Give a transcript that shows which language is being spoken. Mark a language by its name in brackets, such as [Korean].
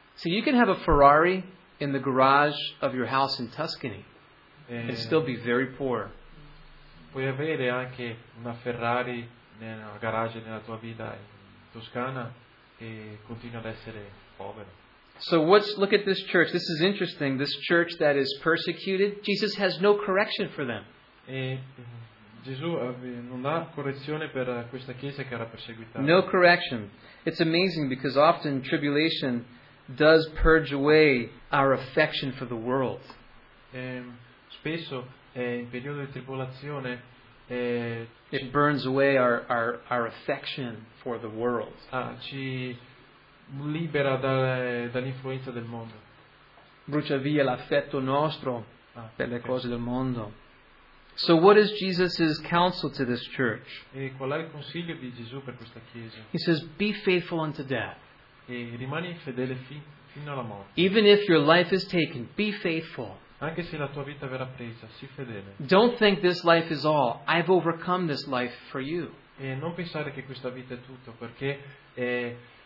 [English] So you can have a Ferrari in the garage of your house in Tuscany and still be very poor. [Italian] Puoi avere anche una Ferrari nella garage nella tua vita in Toscana e continua ad essere povero. [English] So what's look at this church. This is interesting. This church that is persecuted, Jesus has no correction for them. [Italian] E Gesù non ha correzione per questa chiesa che era perseguitata. [English] No correction. It's amazing because often tribulation does purge away our affection for the world. [Italian] Spesso in periodo di tribolazione [English] it burns away our affection for the world. [Italian] Ci libera dall'influenza del mondo. Brucia via l'affetto nostro per le cose del mondo. [English] So what is Jesus's counsel to this church? [Italian] E qual è il consiglio di Gesù per questa chiesa? [English] He says, "Be faithful unto death." [Italian] E rimani fedele fino alla morte. [English] Even if your life is taken, be faithful. [Italian] Anche se la tua vita verrà presa, sii fedele. [English] Don't think this life is all. I've overcome this life for you. [Italian] E non pensare che questa vita è tutto, perché